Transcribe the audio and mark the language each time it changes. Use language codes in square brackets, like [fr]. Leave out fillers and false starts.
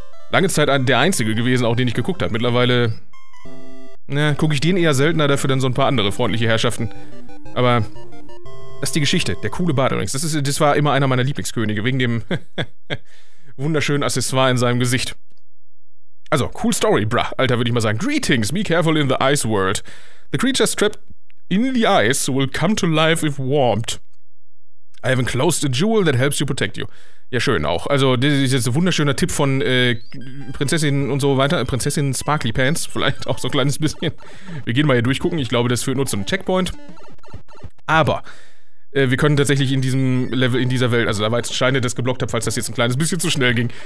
[de] Lange Zeit der Einzige gewesen, auch den ich geguckt habe. Mittlerweile. Na, gucke ich den eher seltener, dafür dann so ein paar andere freundliche Herrschaften. Aber das ist die Geschichte, der coole Bart übrigens. Das war immer einer meiner Lieblingskönige, wegen dem wunderschönen Accessoire in seinem Gesicht. Also, [en] cool Story, bruh. [de] Alter, würde ich mal sagen. [en] Greetings, be careful in the ice world. The creatures trapped in the ice will come to life if warmed. I have enclosed a jewel that helps you protect you. [de] Ja, schön auch. Also, das ist jetzt ein wunderschöner Tipp von Prinzessin und so weiter. Prinzessin Sparkly Pants, vielleicht auch so ein kleines bisschen. Wir gehen mal hier durchgucken. Ich glaube, das führt nur zum Checkpoint. Aber wir können tatsächlich in diesem Level, in dieser Welt, also da war jetzt Scheine, das geblockt habe, falls das jetzt ein kleines bisschen zu schnell ging.